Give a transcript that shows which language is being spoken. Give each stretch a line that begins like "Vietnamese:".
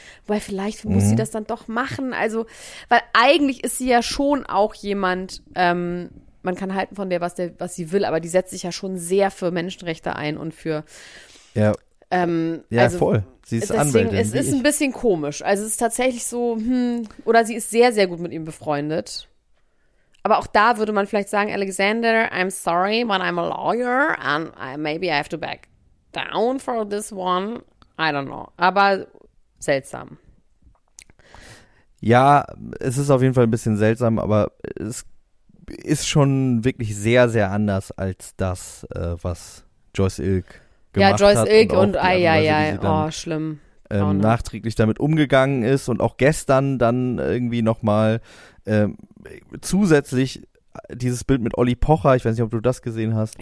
German: Weil vielleicht muss sie das dann doch machen. Also, weil eigentlich ist sie ja schon auch jemand, man kann halten von der, was sie will, aber die setzt sich ja schon sehr für Menschenrechte ein und für Ja, also, voll. Sie ist deswegen, Anwältin. Es ist ein bisschen komisch. Also es ist tatsächlich so, oder sie ist sehr, sehr gut mit ihm befreundet. Aber auch da würde man vielleicht sagen, Alexander,
English: I'm sorry, but I'm a lawyer and maybe I have to back down for this one. I don't know.
German: Aber seltsam. Ja, es ist auf jeden Fall ein bisschen seltsam, aber es ist schon wirklich sehr, sehr anders als das, was Joyce Ilk gemacht hat. Ja, Joyce Ilk und schlimm. Nachträglich damit umgegangen ist und auch gestern dann irgendwie nochmal zusätzlich dieses Bild mit Olli Pocher, ich weiß nicht, ob du das gesehen hast.